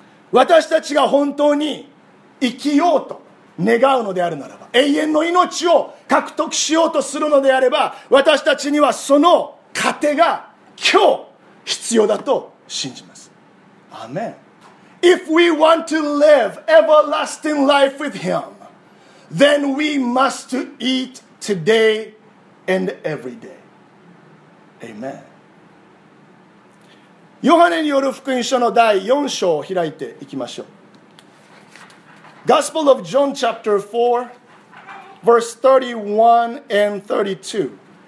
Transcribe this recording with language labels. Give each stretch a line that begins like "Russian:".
Japanese: 私たちが本当に生きようと願うのであるならば、永遠の命を獲得しようとするのであれば、私たちにはその糧が今日必要だと信じます。アーメン。
English: If we want to live everlasting life with him, then we must eat today and every day. Amen.
Japanese: ヨハネによる福音書の第4章を開いていきましょう。
English: Gospel of John chapter 4 verse 31 and 32.